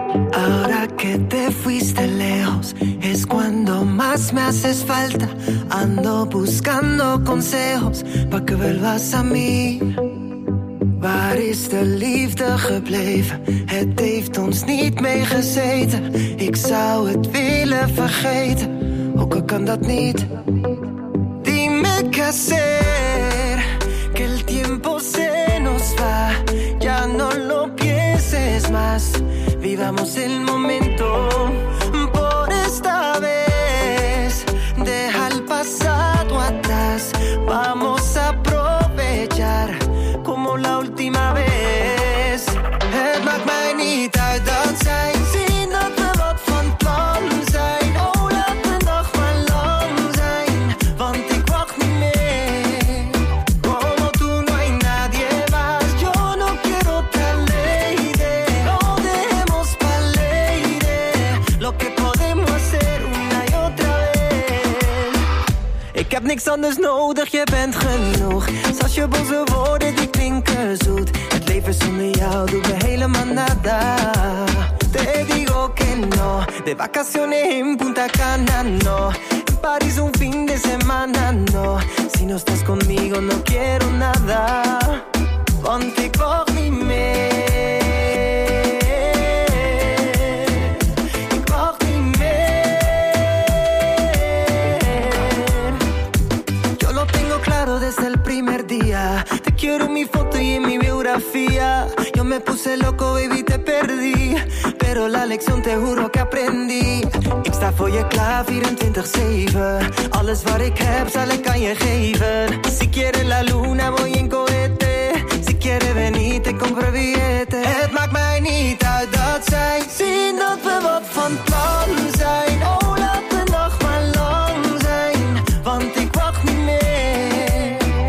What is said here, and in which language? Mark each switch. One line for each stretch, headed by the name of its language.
Spanish: Ahora que te fuiste lejos, es cuando más me haces falta. Ando buscando consejos, pa' que vuelvas a mí.
Dutch: Waar is de liefde gebleven? Het heeft ons niet meegezeten. Ik zou het willen vergeten. Hoe kan dat niet?
Spanish: Dime qué hacer, que el tiempo se nos va. Ya no lo pienses más. Vivamos el momento. Por esta vez, deja el pasado atrás. Vamos a aprovechar. Como la última vez.
Dutch: Het maakt mij niet uit dat zij zien dat we wat van plan zijn. Oh, laat de dag maar lang zijn, want ik wacht niet meer.
Spanish: Como tú no hay nadie más, yo no quiero tan leide. No dejemos pa' leide lo que podemos hacer una y otra vez.
Dutch: Ik heb niks anders nodig, je bent genoeg. Zoals je boze woorden die zoet. Het leven zonder jou doet me helemaal nada.
Spanish: Te digo que no. De vacaciones en Punta Cana, no. En París un fin de semana, no. Si no estás conmigo, no quiero nada.
Dutch: Want ik wacht niet meer. Ik wacht niet meer.
Spanish: Yo lo tengo claro desde el primer día. Quiero mi foto y mi biografía. Yo me puse loco, baby, te perdí. Pero la lección te juro que aprendí.
Dutch: Ik sta voor je klaar 24/7. Alles wat ik heb zal ik aan je geven.
Spanish: Si quiere la luna voy en cohete. Si quiere venir te compro billete.
Dutch: Het maakt mij niet uit dat zij zien dat we wat van plan zijn. Oh, laat de dag maar lang zijn, want ik wacht niet meer.